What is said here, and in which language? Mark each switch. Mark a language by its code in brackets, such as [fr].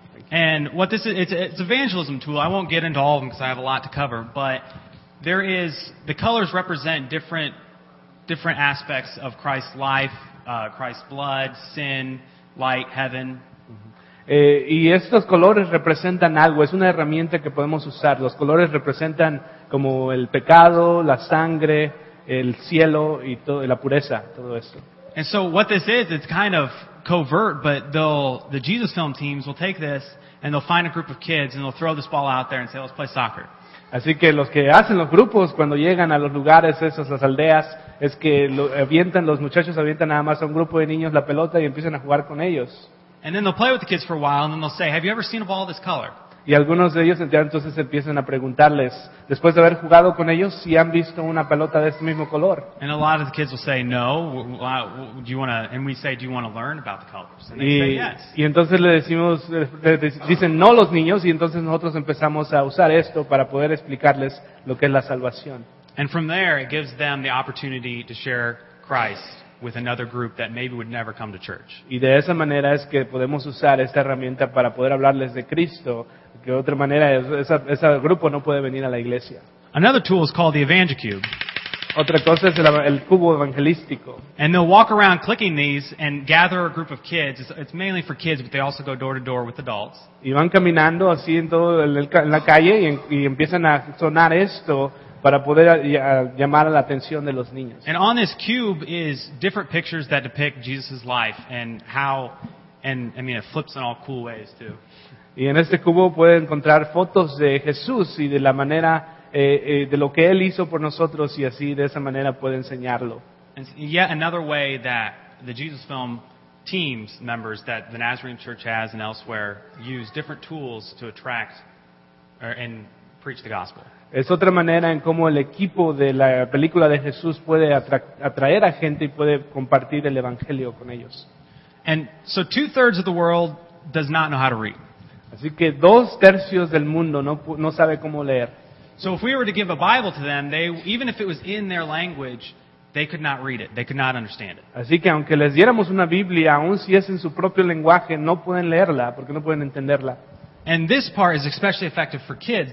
[en] And what this is, it's an evangelism tool. I won't get into all of them because I have a lot to cover. But there is, the colors represent different aspects of Christ's life, Christ's blood, sin, light, heaven. [es] Y estos colores representan algo. Es una herramienta que podemos usar. Los colores representan como el pecado, la sangre, el cielo y la pureza, todo esto. [en] And so what this is, it's kind of covert, but the Jesus Film teams will take this and they'll find a group of kids and they'll throw this ball out there and say, let's play soccer. [es] Así que los que hacen los grupos cuando llegan a los lugares esos, las aldeas, es que los muchachos avientan nada más a un grupo de niños la pelota y empiezan a jugar con ellos. [en] And then they'll play with the kids for a while and then they'll say, have you ever seen a ball this color? [es] Y algunos de ellos entonces empiezan a preguntarles, después de haber jugado con ellos, si han visto una pelota de este mismo color. [en] And a lot of the kids will say, no, do you want to, and we say, do you want to learn about the colors? And they say, yes. [es] Y entonces le decimos, dicen no los niños, y entonces nosotros empezamos a usar esto para poder explicarles lo que es la salvación. [en] And from there, it gives them the opportunity to share Christ with another group that maybe would never come to church. [es] Y de esa manera es que podemos usar esta herramienta para poder hablarles de Cristo. De otra manera, ese grupo no puede venir a la iglesia. [en] Another tool is called the Evangelcube. [es] Otra cosa es el cubo evangelístico. [en] And they'll walk around clicking these and gather a group of kids. It's mainly for kids, but they also go door to door with adults. [es] Y van caminando así en todo en la calle y empiezan a sonar esto para poder llamar a la atención de los niños. [en] And on this cube is different pictures that depict Jesus' life and how, and I mean, it flips in all cool ways too. [es] Y en este cubo puede encontrar fotos de Jesús y de la manera de lo que él hizo por nosotros y así de esa manera puede enseñarlo. [en] And yet another way that the Jesus Film teams members that the Nazarene Church has and elsewhere use different tools to attract and preach the gospel. [es] Es otra manera en cómo el equipo de la película de Jesús puede atraer a gente y puede compartir el evangelio con ellos. [en] And so 2/3 of the world does not know how to read. [es] Así que 2/3 del mundo no sabe cómo leer. [en] So if we were to give a Bible to them, they, even if it was in their language, they could not read it. They could not understand it. [es] Así que aunque les diéramos una Biblia, aun si es en su propio lenguaje, no pueden leerla porque no pueden entenderla. [en] And this part is especially effective for kids.